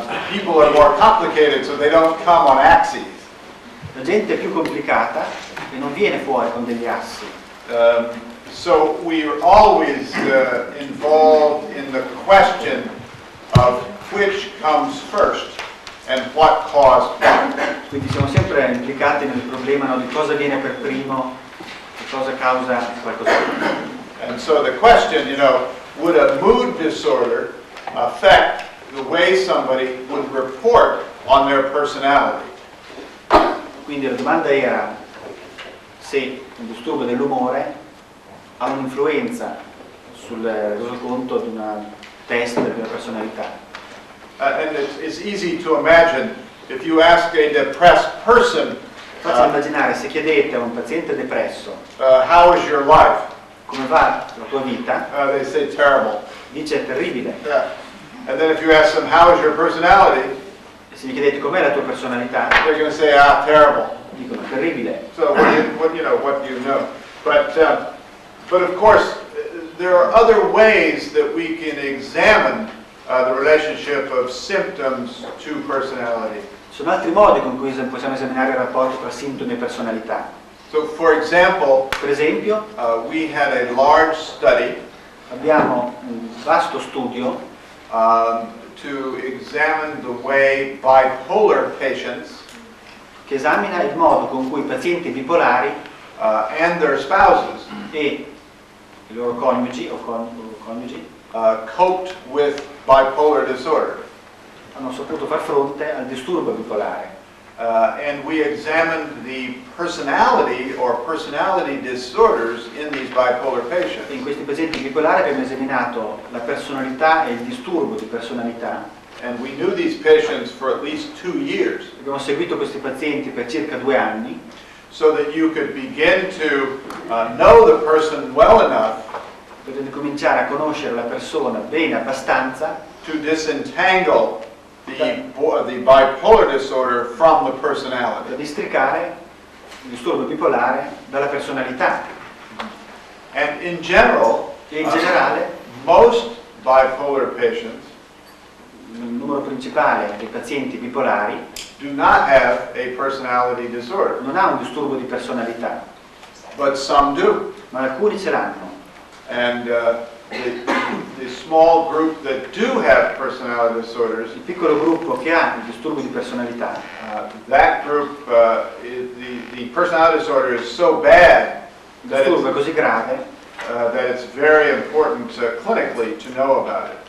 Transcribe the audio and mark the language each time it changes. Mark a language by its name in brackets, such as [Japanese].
[English] People are more complicated, so they don't come on axes. [Italian] La gente è più complicata e non viene fuori con degli assi. [English] So we are always involved in the question of which comes first and what caused what. [Italian] Quindi siamo sempre implicati nel problema, no, di cosa viene per primo e cosa causa qualcosa. [English] And so the question, you know, would a mood disorder affect the way somebody would report on their personality? [Italian] Quindi la domanda era se un disturbo dell'umore ha un'influenza sul resoconto di un test della personalità. [English] And it's easy to imagine if you ask a depressed person. [Italian] Faccio immaginare se chiedete a un paziente depresso. [English] How is your life? [Italian] Come va la tua vita? [English] They say terrible. [Italian] Dice terribile. [English] Yeah. And then if you ask them how is your personality. [Italian] E se gli chiedete com'è la tua personalità. [English] They're going to say terrible. [Italian] Dicono terribile. [English] So what do you know? But of course, there are other ways that we can examine the relationship of symptoms to personality. [Italian] Ci sono altri modi con cui possiamo esaminare il rapporto tra sintomi e personalità. [English] So, for example, [Italian] per esempio, [English] we had a large study. [Italian] Abbiamo un vasto studio [English] to examine the way bipolar patients, [Italian] che esamina il modo con cui pazienti bipolari [English] and their spouses. [Italian] E i loro coniugi o coniugi [English] coped with bipolar disorder. [Italian] Hanno saputo far fronte al disturbo bipolare. [English] And we examined the personality or personality disorders in these bipolar patients. [Italian] In questi pazienti bipolari abbiamo esaminato la personalità e il disturbo di personalità. [English] And we knew these patients for at least 2 years. [Italian] Abbiamo seguito questi pazienti per circa 2 anni. [English] So that you could begin to know the person well enough, [Italian] potete cominciare a conoscere la persona bene abbastanza, [English] to disentangle the bipolar disorder from the personality, [Italian] da districare il disturbo bipolare dalla personalità. [English] And in general, [Italian] in generale, [English] most bipolar patients, [Italian] il numero principale dei pazienti bipolari [English] do not have a personality disorder. [Italian] Non ha un disturbo di personalità. [English] But some do. [Italian] Ma alcuni ce l'hanno. [English] And the small group that do have personality disorders, [Italian] il piccolo gruppo che ha il disturbo di personalità, [English] that group, the personality disorder is so bad [Italian] that disturbo è così grave, [English] that it's very important clinically to know about it.